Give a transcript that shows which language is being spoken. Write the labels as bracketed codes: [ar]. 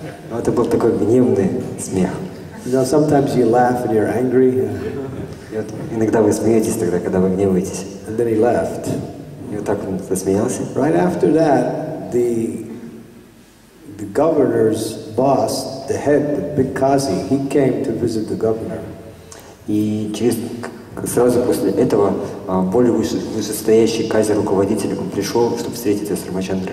[ru] Но это был такой гневный смех. [en] You know, sometimes you laugh and you're angry. [ru] Иногда вы смеетесь тогда, когда вы гневаетесь. [en] And then he laughed. [ru] И вот так он засмеялся. [en] Right after that, the governor's boss, the head, the big qazi, he came to visit the governor. [ru] И через сразу после этого более высокостоящий кайзер-руководитель пришел, чтобы встретиться с Рамачандра